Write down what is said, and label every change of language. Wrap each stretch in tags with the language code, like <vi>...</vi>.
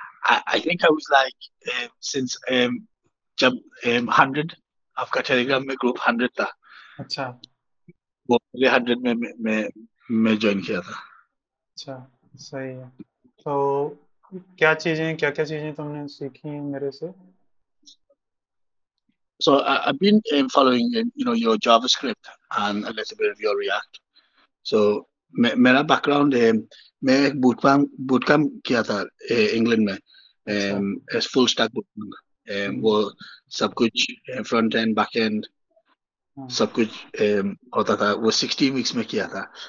<en>I think I was like since</en> <hi>जब 100 आपका Telegram में ग्रुप 100 था, अच्छा वो पहले 100 में मैं ज्वाइन किया था। अच्छा सही है। तो क्या क्या चीजें तुमने सीखी हैं मेरे से? हाँ</hi> <en>So I've been following your JavaScript and a little bit of your React.</en> <hi>So मेरा बैकग्राउंड है, मैं एक बूटकैंप किया था इंग्लैंड अच्छा में, एस फुल स्टैक बूटकैंप। वो सब कुछ फ्रंट एंड बैक एंड सब कुछ होता था, वो 16 वीक्स में किया था।</hi>